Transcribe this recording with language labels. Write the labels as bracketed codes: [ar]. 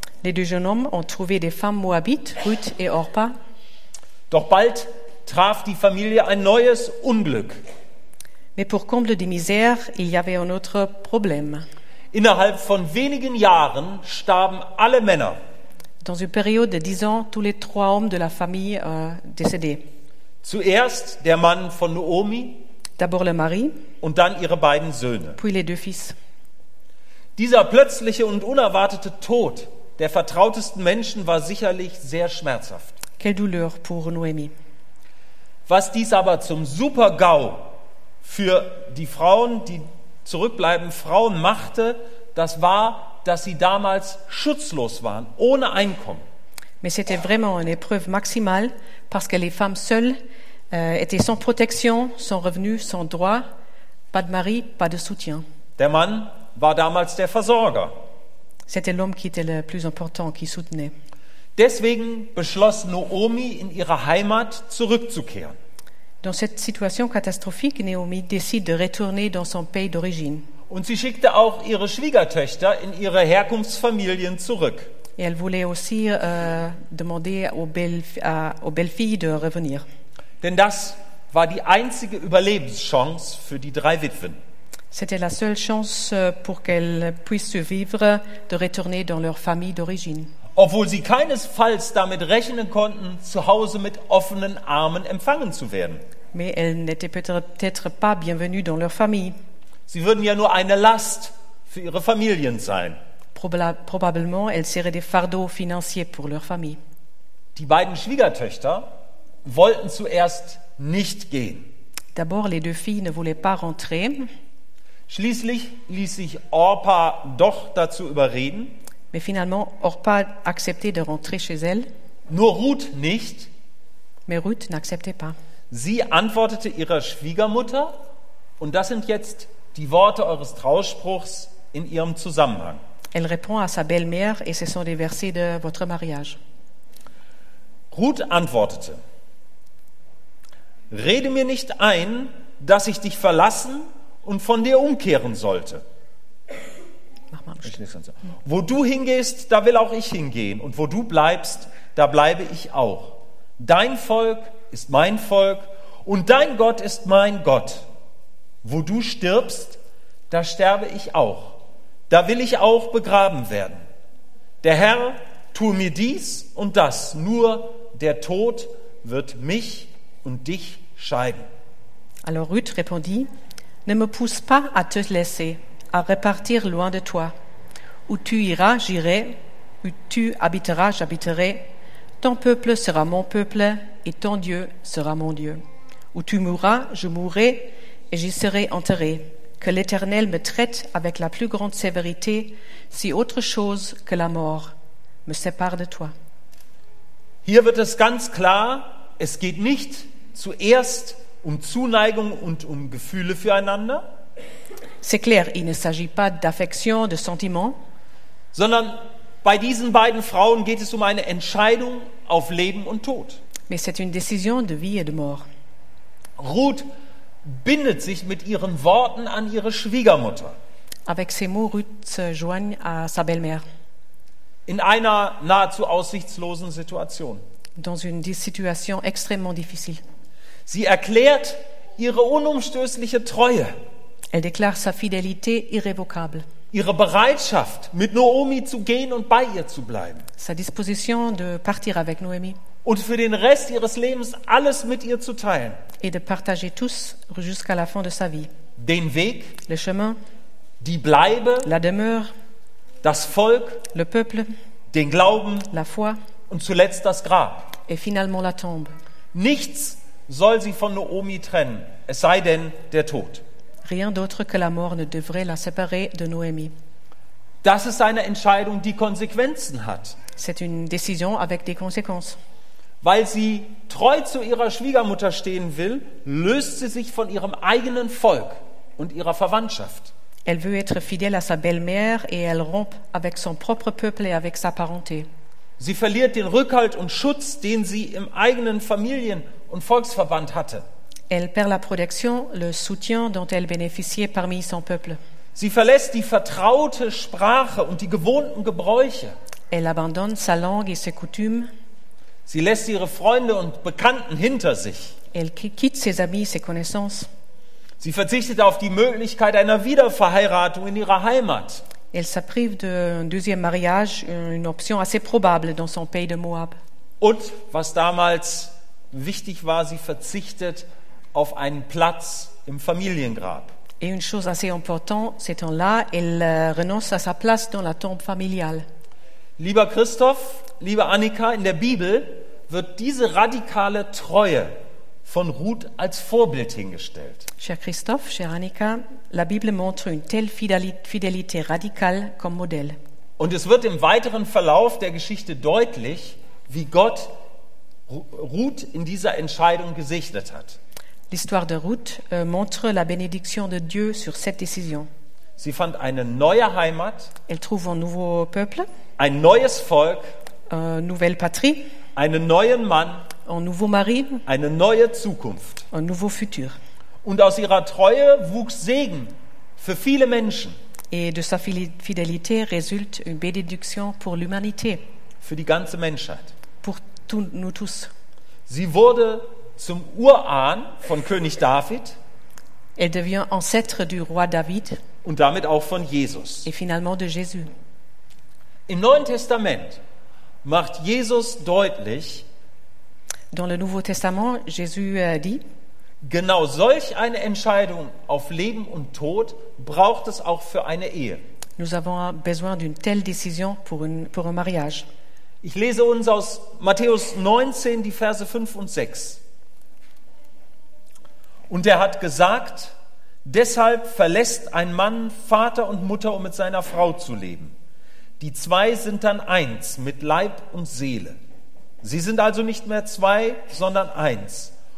[fr] Les deux jeunes hommes ont trouvé des femmes moabites, Ruth et Orpa. [de] Doch bald traf die Familie ein neues Unglück. [fr] Mais pour comble de misère, il y avait un autre problème. [de] Innerhalb von wenigen Jahren starben alle Männer. [fr] Dans une période de 10 ans, tous les trois hommes de la famille décédaient. [de] Zuerst der Mann von Naomi. [fr] D'abord le mari. [de] Und dann ihre beiden Söhne. [fr] Puis les deux fils. [de] Dieser plötzliche und unerwartete Tod der vertrautesten Menschen war sicherlich sehr schmerzhaft. [fr] Quelle douleur pour Noémie. [de] Was dies aber zum Super-GAU für die Frauen, die zurückbleiben, Frauen machte, das war, dass sie damals schutzlos waren, ohne Einkommen. [fr] Mais c'était vraiment une épreuve maximale, parce que les femmes seules étaient sans protection, sans revenu, sans droit, pas de mari, pas de soutien. [de] Der Mann war damals der Versorger. [fr] C'était l'homme qui était le plus important, qui soutenait. [de] Deswegen beschloss Naomi, in ihre Heimat zurückzukehren. [fr] Dans cette situation catastrophique, Naomi décide de retourner dans son pays d'origine. [de] Und sie schickte auch ihre Schwiegertöchter in ihre Herkunftsfamilien zurück. [fr] Et elle voulait aussi demander aux belles-filles de revenir. [de] Denn das war die einzige Überlebenschance für die drei Witwen. [fr] C'était la seule chance pour qu'elles puissent survivre de retourner dans leur famille d'origine. [de] obwohl sie keinesfalls damit rechnen konnten, zu Hause mit offenen Armen empfangen zu werden. [fr] Mais elles n'étaient peut-être pas bienvenues dans leur famille. [de] Sie würden ja nur eine Last für ihre Familien sein. [fr] Probablement elles seraient des fardeaux financiers pour leur famille. [de] Die beiden Schwiegertöchter wollten zuerst nicht gehen. [fr] D'abord, les deux filles ne voulaient pas rentrer. [de] Schließlich ließ sich Orpa doch dazu überreden. [fr] Mais finalement, Orpa acceptait de rentrer chez elle. [de] Nur Ruth nicht. [fr] Mais Ruth n'acceptait pas. [de] Sie antwortete ihrer Schwiegermutter, und das sind jetzt die Worte eures Trauspruchs in ihrem Zusammenhang. [fr] Elle répond à sa belle-mère et ce sont des versets de votre mariage. [de] Ruth antwortete: Rede mir nicht ein, dass ich dich verlassen und von dir umkehren sollte. Mach mal ein Stück. Wo du hingehst, da will auch ich hingehen. Und wo du bleibst, da bleibe ich auch. Dein Volk ist mein Volk und dein Gott ist mein Gott. Wo du stirbst, da sterbe ich auch. Da will ich auch begraben werden. Der Herr tue mir dies und das. Nur der Tod wird mich und dich scheiden. [fr] Alors Ruth répondit: Ne me pousse pas à te laisser, à repartir loin de toi. Où tu iras, j'irai. Où tu habiteras, j'habiterai. Ton peuple sera mon peuple, et ton Dieu sera mon Dieu. Où tu mourras, je mourrai, et j'y serai enterré. Que l'Éternel me traite avec la plus grande sévérité, si autre chose que la mort me sépare de toi. [de] Hier wird es ganz klar: Es geht nicht zuerst um Zuneigung und um Gefühle füreinander. [fr] C'est clair, il ne s'agit pas d'affection, de sentiments. [de] Sondern bei diesen beiden Frauen geht es um eine Entscheidung auf Leben und Tod. [fr] Mais c'est une décision de vie et de mort. [de] Ruth bindet sich mit ihren Worten an ihre Schwiegermutter. [fr] Avec ses mots, Ruth se joint à sa belle-mère. [de] In einer nahezu aussichtslosen Situation. [fr] Dans une situation extrêmement difficile. [de] Sie erklärt ihre unumstößliche Treue. [fr] Elle déclare sa fidélité irrévocable. [de] Ihre Bereitschaft, mit Noomi zu gehen und bei ihr zu bleiben. [fr] Sa disposition de partir avec Noomi. [de] Und für den Rest ihres Lebens alles mit ihr zu teilen. [fr] Et de partager tous jusqu'à la fin de sa vie. [de] Den Weg. [fr] Le chemin. [de] Die Bleibe. [fr] La demeure. [de] Das Volk. [fr] Le peuple. [de] Den Glauben. [fr] La foi. [de] Und zuletzt das Grab. [fr] Et finalement la tombe. [de] Nichts soll sie von Noomi trennen, es sei denn der Tod. [fr] Rien d'autre que la mort ne devrait la séparer de Noémie. [de] Das ist eine Entscheidung, die Konsequenzen hat. [fr] C'est une décision avec des conséquences. [de] Weil sie treu zu ihrer Schwiegermutter stehen will, löst sie sich von ihrem eigenen Volk und ihrer Verwandtschaft. [fr] Elle veut être fidèle à sa belle-mère et elle rompt avec son propre peuple et avec sa parenté. [de] Sie verliert den Rückhalt und Schutz, den sie im eigenen Familien- und Volksverband hatte. [fr] Elle perd la protection, le soutien dont elle bénéficiait parmi son peuple. [de] Sie verlässt die vertraute Sprache und die gewohnten Gebräuche. [fr] Elle abandonne sa langue et ses coutumes. [de] Sie lässt ihre Freunde und Bekannten hinter sich. [fr] Elle quitte ses amis, ses connaissances. [de] Sie verzichtet auf die Möglichkeit einer Wiederverheiratung in ihrer Heimat. [fr] Elle s'prive d'un deuxième mariage, une option assez probable dans son pays de Moab. [de] Und was damals wichtig war, sie verzichtet auf einen Platz im Familiengrab. [fr] Et une chose assez importante, c'est en là, elle renonce à sa place dans la tombe familiale. [de] Lieber Christoph, liebe Annika, in der Bibel wird diese radikale Treue von Ruth als Vorbild hingestellt. [fr] Cher Christoph, chère Annika, la Bible montre une telle fidélité radicale comme modèle. [de] Und es wird im weiteren Verlauf der Geschichte deutlich, wie Gott Ruth in dieser Entscheidung gesegnet hat. [fr] L'histoire de Ruth montre la bénédiction de Dieu sur cette décision. [de] Sie fand eine neue Heimat. [fr] Elle trouve un nouveau peuple. [de] Ein neues Volk. [fr] Une nouvelle patrie. [de] Einen neuen Mann. [fr] Un nouveau mari. [de] Eine neue Zukunft. [fr] Un nouveau futur. [de] Und aus ihrer Treue wuchs Segen für viele Menschen. [fr] Et de sa fidélité résulte une bénédiction pour l'humanité. [de] Für die ganze Menschheit. [fr] Pour nous tous. [de] Sie wurde zum Urahn von König David. [fr] Elle devient ancêtre du roi David. [de] Und damit auch von Jesus. [fr] Et finalement de Jésus. [de] Im Neuen Testament macht Jesus deutlich, [fr] dans le Nouveau Testament, Jésus dit, [de] genau solch eine Entscheidung auf Leben und Tod braucht es auch für eine Ehe. [fr] Nous avons besoin d'une telle décision pour un mariage. [de] Ich lese uns aus Matthäus 19 die Verse 5 und 6. Und er hat gesagt, deshalb verlässt ein Mann Vater und Mutter, um mit seiner Frau zu leben. Die zwei sind dann eins mit Leib und Seele. Sie sind also nicht mehr zwei, sondern eins.